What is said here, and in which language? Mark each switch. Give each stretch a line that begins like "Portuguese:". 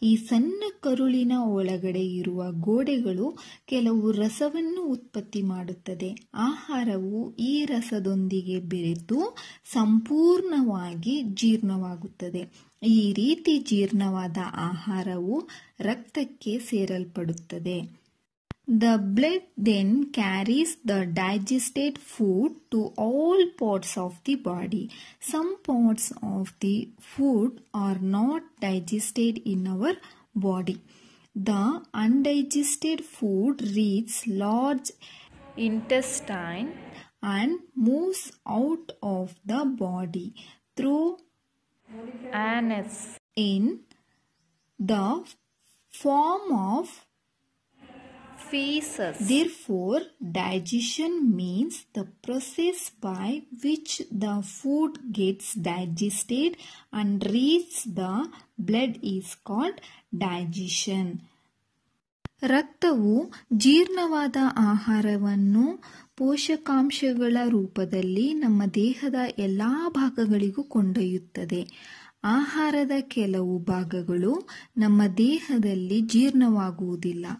Kannada: ಈ ಸಣ್ಣ ಕರುಳಿನ ಒಳಗಡೆ ಇರುವ ಗೋಡೆಗಳು ಕೆಲವು ರಸವನ್ನು ಉತ್ಪತ್ತಿ ಮಾಡುತ್ತದೆ. ಆಹಾರವು ಈ ರಸದೊಂದಿಗೆ ಬೆರೆತು ಸಂಪೂರ್ಣವಾಗಿ ಜೀರ್ಣವಾಗುತ್ತದೆ. ಈ ರೀತಿ ಜೀರ್ಣವಾದ ಆಹಾರವು ರಕ್ತಕ್ಕೆ ಸೇರಲ್ಪಡುತ್ತದೆ.
English: The blood then carries the digested food to all parts of the body. Some parts of the food are not digested in our body. The undigested food reaches large intestine and moves out of the body through anus in the form of feces. Therefore, digestion means the process by which the food gets digested and reaches the blood is called digestion.
Kannada: ರಕ್ತವು ಜೀರ್ಣವಾದ ಆಹಾರವನ್ನು ಪೋಷಕಾಂಶಗಳ ರೂಪದಲ್ಲಿ ನಮ್ಮ ದೇಹದ ಎಲ್ಲಾ ಭಾಗಗಳಿಗೂ ಕೊಂಡೊಯ್ಯುತ್ತದೆ. ಆಹಾರದ ಕೆಲವು ಭಾಗಗಳು ನಮ್ಮ ದೇಹದಲ್ಲಿ ಜೀರ್ಣವಾಗುವುದಿಲ್ಲ.